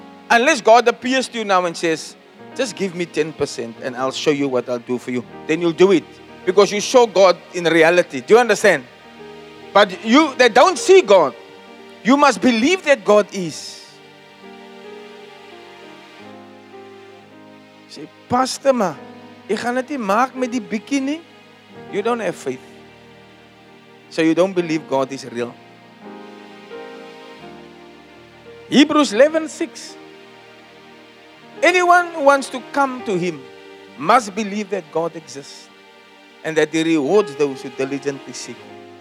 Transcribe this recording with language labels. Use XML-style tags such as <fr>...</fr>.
<en>Unless God appears to you now and says, just give me 10% and I'll show you what I'll do for you. Then you'll do it. Because you show God in reality. Do you understand? But you that don't see God, you must believe that God is. Say,</en> <af>Pastor, ma, ek gaan dit nie maak met die bikkie nie.</af> <en>You don't have faith. So you don't believe God is real. Hebrews 11, 6. Anyone who wants to come to Him must believe that God exists and that He rewards those who diligently seek Him.</en>